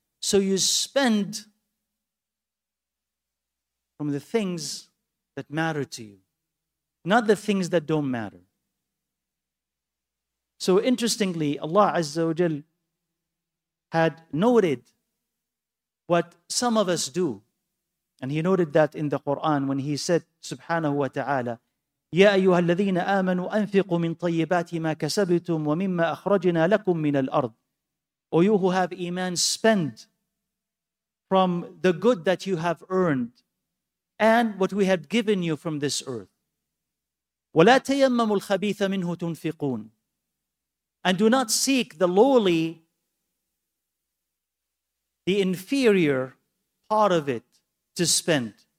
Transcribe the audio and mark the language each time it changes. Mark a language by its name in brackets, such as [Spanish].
[English] So you spend from the things that matter to you, not the things that don't matter. So interestingly, Allah Azza wa Jal had noted what some of us do. And he noted that in the Quran when he said, subhanahu wa ta'ala, [Arabic] يَا أَيُّهَا الَّذِينَ آمَنُوا أَنْفِقُوا مِنْ طَيِّبَاتِ مَا كَسَبْتُمْ وَمِمَّا أَخْرَجْنَا لَكُمْ مِنَ الْأَرْضِ. [English] O you who have iman, spend from the good that you have earned and what we have given you from this earth. [Arabic] وَلَا تَيَمَّمُوا الْخَبِيثَ مِنْهُ تُنْفِقُونَ. [English] And do not seek the lowly, the inferior part of it to spend.